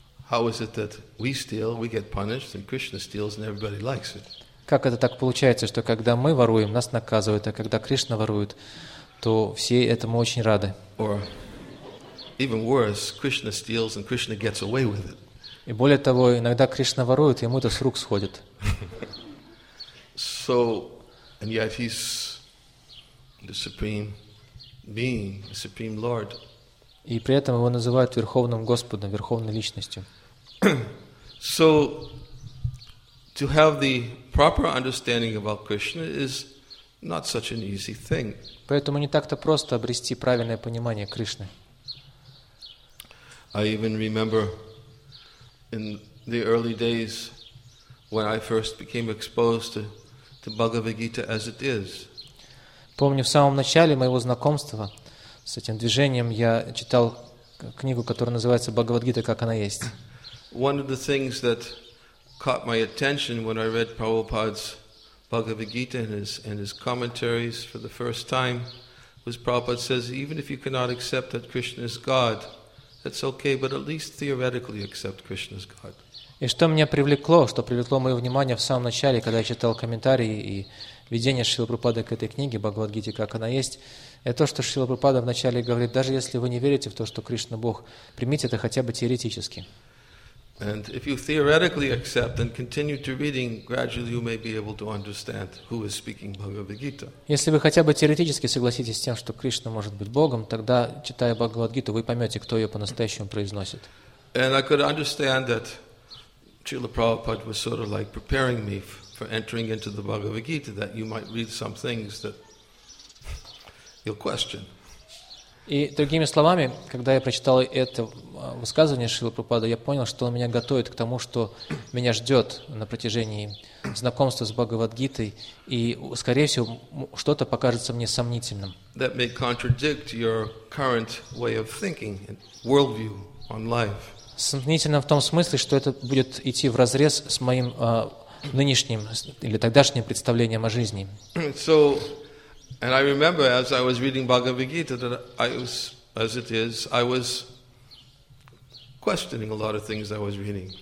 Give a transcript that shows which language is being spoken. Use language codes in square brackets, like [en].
[en] How is it that we steal, we get punished, and Krishna steals, and everybody likes it? [ru] Как это так получается, что когда мы воруем, нас наказывают, а когда Кришна ворует, то все этому очень рады? [en] Or even worse, Krishna steals and Krishna gets away with it. [ru] И более того, иногда Кришна ворует, ему это с рук сходит. [en] So, and yet he's the supreme being, the supreme Lord. [ru] И при этом его называют Верховным Господом, Верховной Личностью. [en] So, to have the proper understanding about Krishna is not such an easy thing. [ru] Поэтому не так-то просто обрести правильное понимание Кришны. [en] I even remember in the early days when I first became exposed to Bhagavad Gita as it is. [ru] Помню, в самом начале моего знакомства с этим движением я читал книгу, которая называется «Бхагавад-гита, как она есть». [en] One of the things that caught my attention when I read Prabhupada's Bhagavad Gita and his commentaries for the first time was Prabhupada says, even if you cannot accept that Krishna is God, that's okay, but at least theoretically accept Krishna is God. [ru] И что меня привлекло, что привлекло мое внимание в самом начале, когда я читал комментарии и видение Шрилы Прабхупады к этой книге «Бхагавад Гите, как она есть», это то, что Шрила Прабхупада вначале говорит, даже если вы не верите в то, что Кришна – Бог, примите это хотя бы теоретически. [en] And if you theoretically accept and continue to reading, gradually you may be able to understand who is speaking Bhagavad Gita. [ru] Если вы хотя бы теоретически согласитесь с тем, что Кришна может быть Богом, тогда, читая Бхагавад Гиту, вы поймете, кто ее по-настоящему произносит. [en] And I could understand that Srila Prabhupada was sort of like preparing me for entering into the Bhagavad Gita, that you might read some things that you'll question. [ru] И другими словами, когда я прочитал это высказывание Шрилы Прабхупады, я понял, что он меня готовит к тому, что меня ждет на протяжении знакомства с Бхагавад-гитой, и, скорее всего, что-то покажется мне сомнительным. [en] That may contradict your current way of thinking and worldview on life. [ru] Сомнительным в том смысле, что это будет идти вразрез с моим нынешним или тогдашним представлением о жизни. [en] So, and I remember as I was reading Bhagavad Gita that I was, as it is, I was questioning a lot of things I was reading.